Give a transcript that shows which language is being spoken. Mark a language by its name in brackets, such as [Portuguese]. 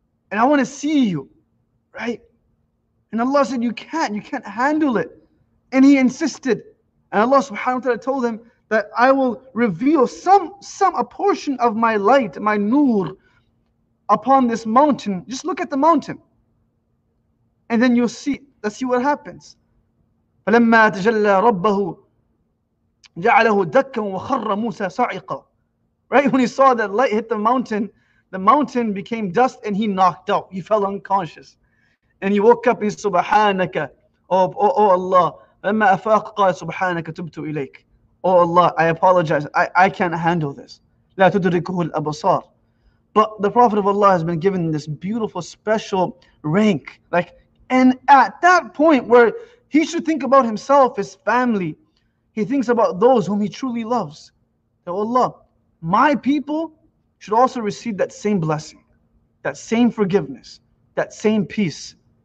[English] And I want to see you. Right? And Allah said, you can't handle it. And he insisted. And Allah subhanahu wa ta'ala told him that I will reveal a portion of my light, my nur, upon this mountain. Just look at the mountain. And then you'll see. Let's see what happens. [Arabic] فلما تجلى ربه جعله دكا وخر موسى صعقا. [English] Right, when he saw that light hit the mountain became dust and he knocked out. He fell unconscious. And he woke up and said, سبحانك. Oh Allah. [Arabic] فلما أفاق قال سبحانك تبت إليك. [English] Oh Allah, I apologize. I can't handle this. [Arabic] لا تدركه الأبصار. [English] But the Prophet of Allah has been given this beautiful, special rank. Like, and at that point where he should think about himself, his family, he thinks about those whom he truly loves. That, oh Allah, my people should also receive that same blessing, that same forgiveness, that same peace.